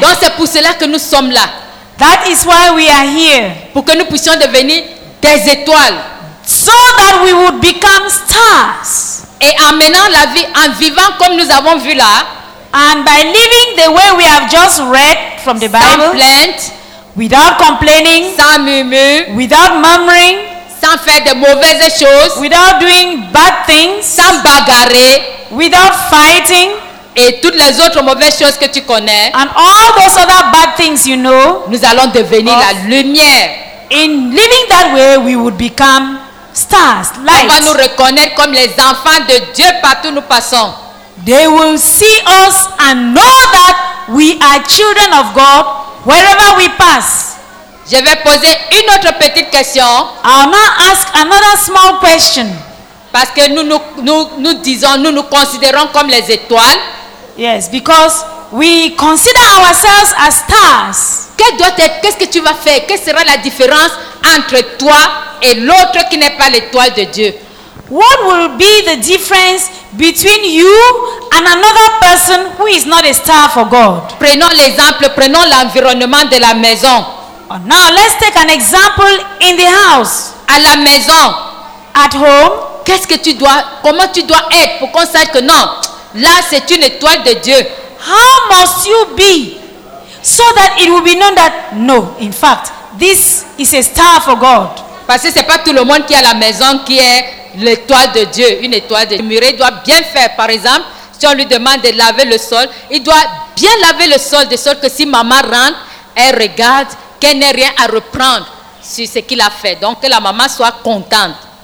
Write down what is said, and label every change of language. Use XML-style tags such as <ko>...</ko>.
<fr>Donc c'est pour cela que nous sommes là.</fr> <en>That is why we are here.</en> <fr>Pour que nous puissions devenir des étoiles,</fr> <en>so that we would become stars.</en> <fr>Et en menant la vie, en vivant comme nous avons vu là,</fr> <en>and by living the way we have just read from the</en> <fr>sans</fr> <en>Bible,</en> <fr>plaint,</fr> <en>without complaining,</en> <fr>sans murmure,</fr> <en>without murmuring,</en> <fr>sans faire de mauvaises choses,</fr> <en>without doing bad things,</en> <fr>sans bagarrer,</fr> <en>without fighting,</en> <fr>et toutes les autres mauvaises choses que tu connais,</fr> <en>and all those other bad things you know,</en> <fr>nous allons devenir la lumière.</fr> <en>In living that way, we would become stars, light.</en> <fr>On va nous reconnaître comme les enfants de Dieu partout nous passons.</fr> <en>They will see us and know that we are children of God wherever we pass.</en> <fr>Je vais poser une autre petite question.</fr> <en>I'll now ask another small question.</en> <fr>Parce que nous considérons comme les étoiles.</fr> <en>Yes, because we consider ourselves as stars.</en> <fr>Qu'est-ce que tu vas faire? Quelle sera la différence entre toi et l'autre qui n'est pas l'étoile de Dieu?</fr> <en>What will be the difference between you and another person who is not a star for God?</en> <fr>Prenons l'exemple, prenons l'environnement de la maison.</fr> <en>Now let's take an example in the house.</en> <fr>À la maison.</fr> <en>At home.</en> <fr>Qu'est-ce que tu dois, comment tu dois être pour qu'on sache que non, là c'est une étoile de Dieu.</fr> <en>How must you be so that it will be known that no, in fact, this is a star for God.</en> <fr>Parce que c'est pas tout le monde qui a la maison qui est l'étoile de Dieu, une étoile de Dieu. Muré doit bien faire, par exemple, si on lui demande de laver le sol, il doit bien laver le sol de sorte que si maman rentre, elle regarde qu'elle n'ait rien à reprendre sur ce qu'il a fait. Donc que la maman soit contente.</fr>